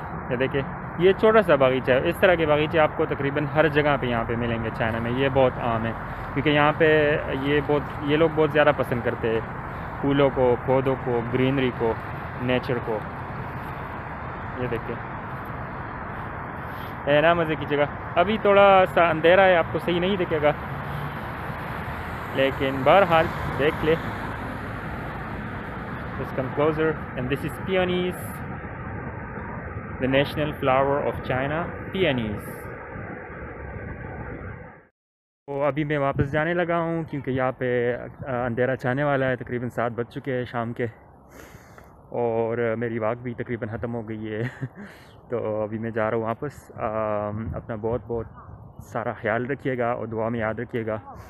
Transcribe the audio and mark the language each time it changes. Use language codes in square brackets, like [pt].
[hi] ये देखे ये छोटा सा बागीचा है, इस तरह के बागीचे आपको तकरीबन हर जगह पे यहाँ पे मिलेंगे चाइना में, ये बहुत आम है क्योंकि यहाँ पे ये लोग बहुत ज़्यादा पसंद करते हैं फूलों को, पौधों को, ग्रीनरी को, नेचर को। ये देखिए है ना मज़े की जगह। अभी थोड़ा सा अंधेरा है, आपको सही नहीं दिखेगा लेकिन बहरहाल देख ले। [en] Let's come closer and this is peonies, the national flower of China, peonies। [hi] तो अभी मैं वापस जाने लगा हूँ क्योंकि यहाँ पे अंधेरा छाने वाला है, तकरीबन सात बज चुके हैं शाम के और मेरी वाक भी तकरीबन ख़त्म हो गई है। तो अभी मैं जा रहा हूँ वापस। अपना बहुत बहुत सारा ख्याल रखिएगा और दुआ में याद रखिएगा।